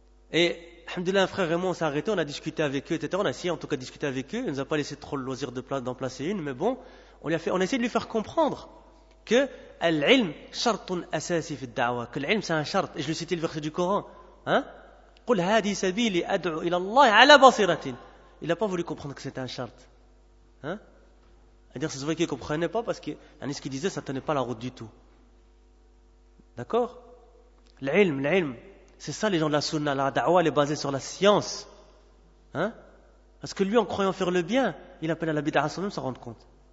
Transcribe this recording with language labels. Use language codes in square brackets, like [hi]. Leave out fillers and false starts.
[fr] Et, alhamdoulilah, un frère et moi, on s'est arrêté, on a discuté avec eux, etc. On a essayé en tout cas de discuter avec eux. Il ne nous a pas laissé trop le loisir d'en placer une, mais bon. On a essayé de lui faire comprendre que [ar] Al-ilm, shartun asasi fi da'wa. [fr] Que l'ilm, c'est un shart. Et je lui citais le verset du Coran. [ar] قل هذه سبيلي أدعو إلى الله على بصيرة. [fr] Il n'a pas voulu comprendre que c'était un shart. C'est-à-dire, c'est vrai qu'il ne comprenait pas parce que ce qu'il disait, ça ne tenait pas la route du tout. D'accord? L'ilm, c'est ça les gens de la sunna, la da'wa, elle est basée sur la science. Parce que lui, en croyant faire le bien, il appelle à la bid'a sans même s'en rendre compte.